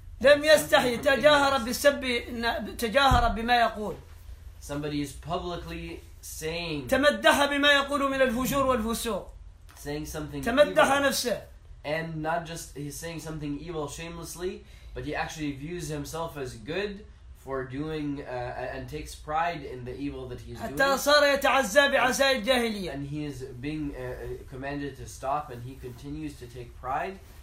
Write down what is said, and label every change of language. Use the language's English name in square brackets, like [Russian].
[Arabic] لم يستحي تجاهر بالسب تجاهر بما يقول. [English] Somebody is publicly saying. [Arabic] تمدح بما يقول من الفجور والفسوق. [English] Saying something. [Arabic] تمدح نفسه. [English] And not just he's saying something evil shamelessly, but he actually views himself as good for doing and takes pride in the evil that he's doing. [Arabic] حتى صار يتعزى بعزاء الجاهلية. [English] And he is being commanded to stop, and he continues to take pride.